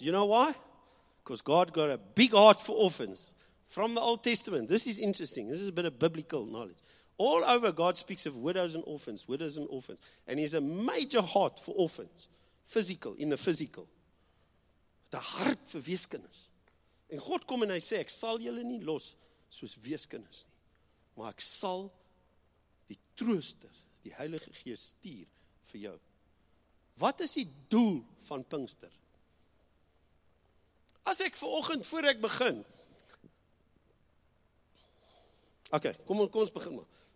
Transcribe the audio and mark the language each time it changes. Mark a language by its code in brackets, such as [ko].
[en] You know why? Because God got a big heart for orphans. From the Old Testament, this is interesting. This is a bit of biblical knowledge. All over, God speaks of widows and orphans, and He has a major heart for orphans, physical, in the physical. The heart for [af] weeskinders. En God kom en hy sê, ek sal julle nie los soos weeskinders nie, maar ek sal die trooster, die Heilige Gees stuur vir jou. Wat is die doel van Pinkster? As ek vanoggend voor ek begin, oké, kom ons begin maar.